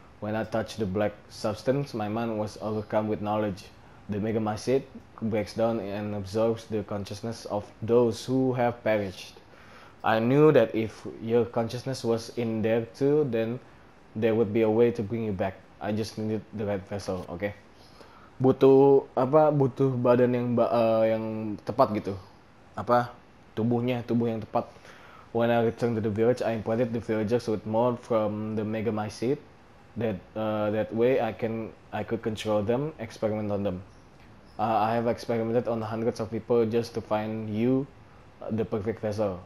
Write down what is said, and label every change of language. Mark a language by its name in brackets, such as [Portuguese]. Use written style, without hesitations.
[English] When I touched the black substance, my mind was overcome with knowledge. The Mega Mycid breaks down and absorbs the consciousness of those who have perished. I knew that if your consciousness was in there too, then there would be a way to bring you back. I just needed the right vessel. Okay. [Indonesian] Butuh apa? Butuh badan yang tepat gitu. Apa? Tubuh yang tepat. [English] When I returned to the village, I implanted the villagers with more from the Mega Mycid. That way, I could control them, experiment on them. I have experimented on hundreds of people just to find you, the perfect vessel.